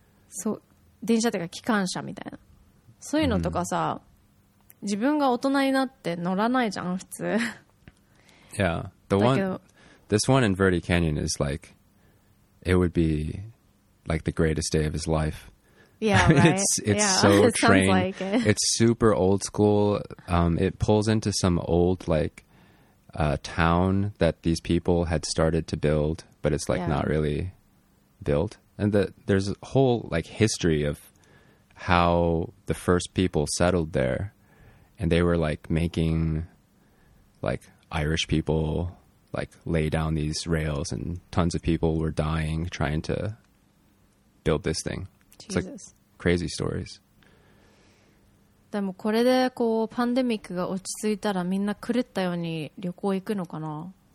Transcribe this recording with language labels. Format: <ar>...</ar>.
<ja>そう、電車っていうか機関車みたいな。そういうのとかさ、自分が大人になって乗らないじゃん、普通。</ja> <en>Yeah, the one, this one in Verde Canyon is like, it would be like the greatest day of his life. Yeah, right. It's so trained. Sounds like it. It's super old school. It pulls into some old like town that these people had started to build, but it's like not really built. And there's a whole like history of how the first people settled there, and they were like making like Irish people like lay down these rails, and tons of people were dying trying to build this thing. Jesus. It's like, crazy stories.</en> <ja>でもこれでこうパンデミックが落ち着いたらみんな狂ったように旅行行くのかな?</ja>